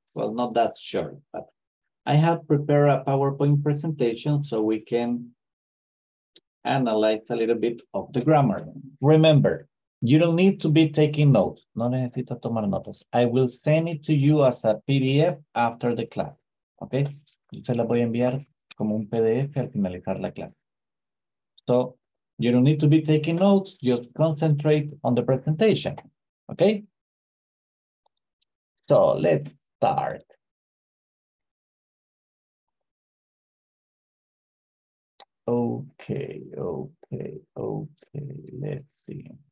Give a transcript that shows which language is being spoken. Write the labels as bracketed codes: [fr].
[en] Well, not that short, but I have prepared a PowerPoint presentation so we can analyze a little bit of the grammar. Remember, you don't need to be taking notes. [es] No necesita tomar notas. [en] I will send it to you as a PDF after the class. Okay? [es] Yo se la voy a enviar como un PDF al finalizar la clase. [en] So, you don't need to be taking notes. Just concentrate on the presentation. Okay? So, let's start. Okay, okay, okay, let's see.